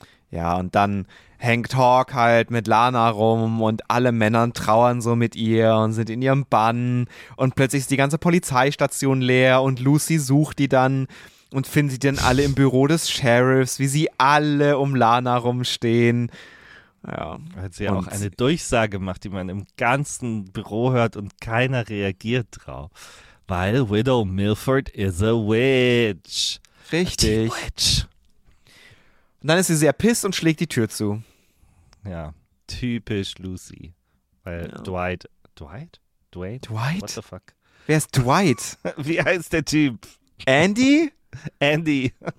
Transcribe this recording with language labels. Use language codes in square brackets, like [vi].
[de] Ja, und dann hängt Hawk halt mit Lana rum und alle Männer trauern so mit ihr und sind in ihrem Bann und plötzlich ist die ganze Polizeistation leer und Lucy sucht die dann und findet sie dann alle im Büro des Sheriffs, wie sie alle um Lana rumstehen. Ja. Weil sie auch eine Durchsage macht, die man im ganzen Büro hört und keiner reagiert drauf. Weil [en] Widow Milford is a witch. [de] Richtig. [en] A witch. [de] Und dann ist sie sehr pissed und schlägt die Tür zu. Ja, typisch Lucy. Weil ja. Dwight? Dwight? [en] What the fuck? [de] Wer ist Dwight? Wie heißt der Typ? Andy? Andy.